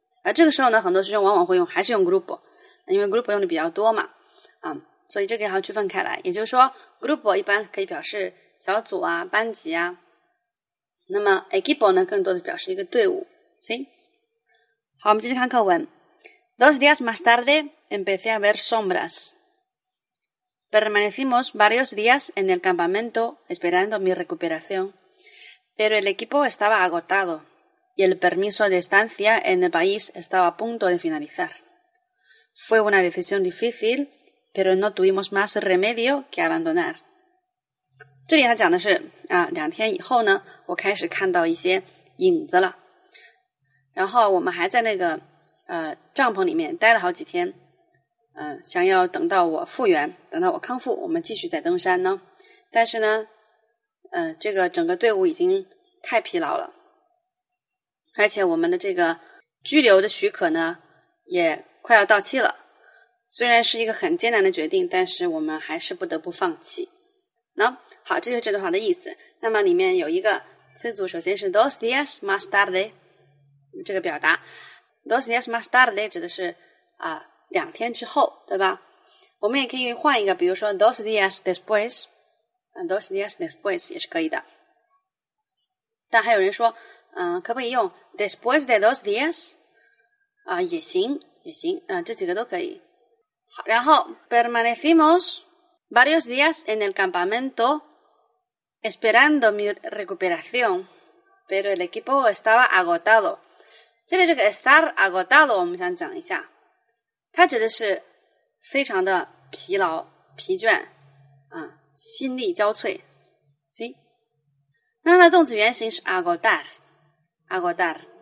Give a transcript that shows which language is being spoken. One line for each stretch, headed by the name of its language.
Chinese: 而这个时候呢，很多学生往往会用还是用 grupo, 因为 grupo 用的比较多嘛，所以这个也要区分开来。也就是说 grupo 一般可以表示小组啊、班级啊，那么 equipo 呢更多的表示一个队伍。行，好，我们继续看课文。
Spanish: Dos días más tarde empecé a ver sombrasPermanecimos varios días en el campamento esperando mi recuperación, pero el equipo estaba agotado y el permiso de estancia en el país estaba a punto de finalizar. Fue una decisión difícil, pero no tuvimos más remedio que abandonar.
Chinese: 这里他讲的是两天以后呢，我开始看到一些影子了。然后我们还在那个帐篷里面待了好几天。想要等到我复原，等到我康复，我们继续再登山呢。但是呢，这个整个队伍已经太疲劳了，而且我们的这个居留的许可呢也快要到期了。虽然是一个很艰难的决定，但是我们还是不得不放弃。那好，这就是这段话的意思。那么里面有一个词组，首先是
Spanish: dos días más tarde,
Chinese: 这个表达 dos días más tarde 指的是两天之后，对吧？我们也可以换一个，比如说
Spanish: dos días después,
Chinese: dos días después 也是可以的。但还有人说可不可以用
Spanish: después de dos días,
Chinese: 也行也行，这几个都可以。好，然后
Spanish: permanecimos varios días en el campamento esperando mi recuperación, pero el equipo estaba agotado.
Chinese: 这里这个
Spanish: estar agotado
Chinese: 我们想讲一下。它指的是非常的疲劳、疲倦，心力交瘁。行，那么它的动词原形是 agotar, agotar。